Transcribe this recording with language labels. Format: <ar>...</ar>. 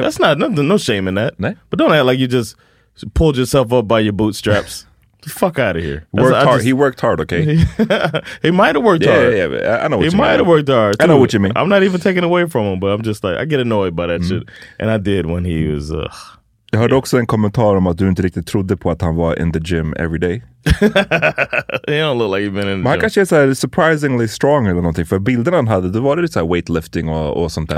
<en>that's not no shame in that. Nah. But don't act like you just pulled yourself up by your bootstraps. The fuck out of here. Worked hard. He worked hard. Okay, he might have worked hard. Yeah, yeah. I know what he might have worked hard. Too. I know what you mean. I'm not even taking away from him, but I'm just like, I get annoyed by that shit, and I did when he was.</en> <sv>Jag hörde också en kommentar om att du inte riktigt trodde på att han var</sv> <en>in the gym every day. He don't look like he's been in the gym.</en> <sv>Han kanske är såhär</sv> <en>surprisingly strong</en> <sv>eller någonting. För bilderna han hade, då var det såhär weightlifting och sånt där.</sv>